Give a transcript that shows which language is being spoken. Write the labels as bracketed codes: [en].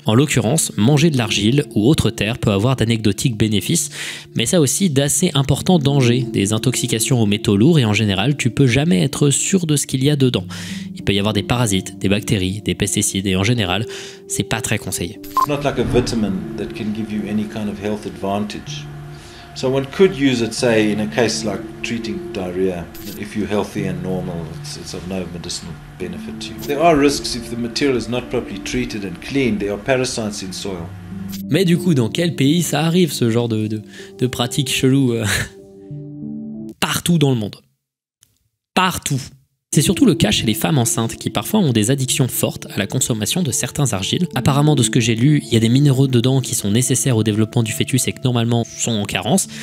[fr] En l'occurrence, manger de l'argile ou autre terre peut avoir d'anecdotiques bénéfices, mais ça aussi d'assez importants dangers, des intoxications aux métaux lourds et en général, tu peux jamais être sûr de ce qu'il y a dedans. Il peut y avoir des parasites, des bactéries, des pesticides et en général, c'est pas très conseillé. [en] It's not like a vitamin that can give you any kind of health advantage. So one could use it, say, in a case like treating diarrhea. If you're healthy and normal, it's of no medicinal benefit to you. There are risks if the material is not properly treated and cleaned. There are parasites in soil. [fr] Mais du coup, dans quel pays ça arrive ce genre de pratique chelou Partout dans le monde. Partout. C'est surtout le cas chez les femmes enceintes qui parfois ont des addictions fortes à la consommation de certains argiles. Apparemment, de ce que j'ai lu, il y a des minéraux dedans qui sont nécessaires au développement du fœtus et que normalement sont en carence.